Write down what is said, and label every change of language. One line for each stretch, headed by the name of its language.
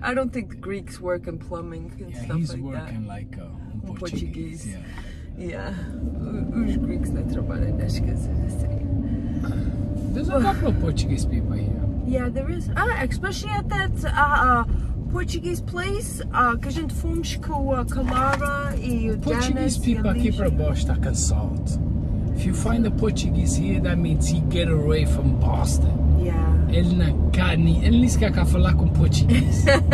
English: I don't think Greeks work in plumbing and yeah, stuff like that. Yeah, he's working like um Portuguese. Portuguese. Yeah.
Portuguese: Yeah, os gregos não trabalham nas casas assim.
English: There's a couple of Portuguese people here. Yeah, there is. Ah, especially at that Portuguese place
Portuguese: que a gente fomos com a Clara e o Dennis.
English: Portuguese people
Portuguese: aqui para baixo está cansado.
English: If you find a Portuguese here, that means he get away from Boston. Yeah.
Portuguese: Ele não quer nem, ele nem sequer quer falar com português.